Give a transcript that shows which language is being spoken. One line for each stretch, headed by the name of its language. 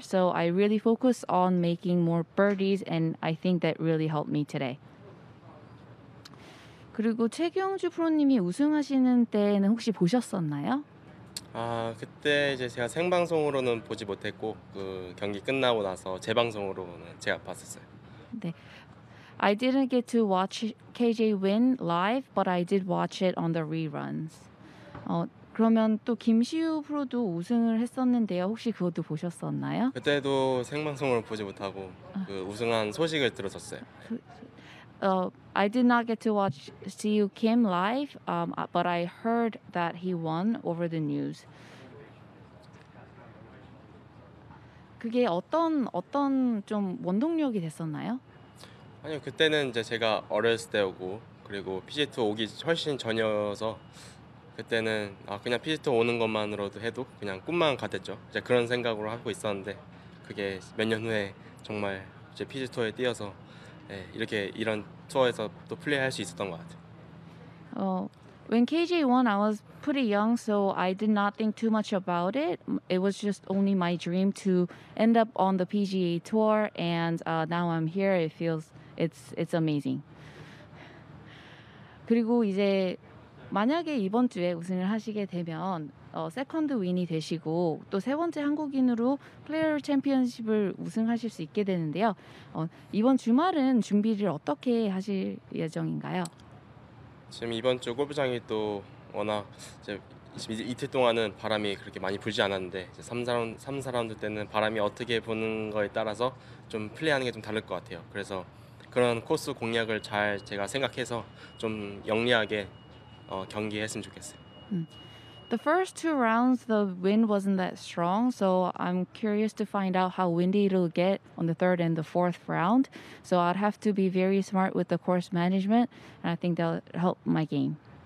English: So I really focus on making more birdies, and I think that really helped me today.
Korean: 그리고 최경주 프로님이 우승하시는 때는 혹시 보셨었나요? 아, 그때 이제 제가 생방송으로는 보지 못했고 그 경기 끝나고 나서 재방송으로는 제가 봤었어요. 네.
English: I didn't get to watch KJ win live, but I did watch it on the reruns.
Korean: 그러면 또 김시우 프로도 우승을 했었는데요. 혹시 그것도 보셨었나요? 그때도 생방송으로 보지 못하고 그 우승한 소식을 들었었어요.
English: I did not get to watch Siu Kim live, but I heard that he won over the news.
Korean: 그게 어떤 좀 원동력이 됐었나요? 아니요, 그때는 이제 제가 어렸을 때고 그리고 PGA 오기 훨씬 전이어서 그때는 그냥 PGA 오는 것만으로도 해도 그냥 꿈만 같았죠. 이제 그런 생각으로 하고 있었는데 그게 몇 년 후에 정말 이제 PGA에 뛰어서 네, 이렇게 이런 투어에서 또 플레이할 수 있었던 것 같아요.
English: When KJ won, I was pretty young, so I did not think too much about it. It was just only my dream to end up on the PGA Tour, and now I'm here. It's amazing.
Korean: 그리고 이제 만약에 이번 주에 우승을 하시게 되면 세컨드 윈이 되시고 또 세 번째 한국인으로 플레이어 챔피언십을 우승하실 수 있게 되는데요. 이번 주말은 준비를 어떻게 하실 예정인가요? 지금 이번 주 골프장이 또 워낙 이제 이틀 동안은 바람이 그렇게 많이 불지 않았는데 이제 3, 4라운드 때는 바람이 어떻게 부는 거에 따라서 좀 플레이하는 게 좀 다를 것 같아요. 그래서 그런 코스 공략을 잘 제가 생각해서 좀 영리하게 경기했으면 좋겠어요.
English: The first two rounds, the wind wasn't that strong, so I'm curious to find out how windy it'll get on the third and the fourth round. So I'd have to be very smart with the course management, and I think that'll help my game.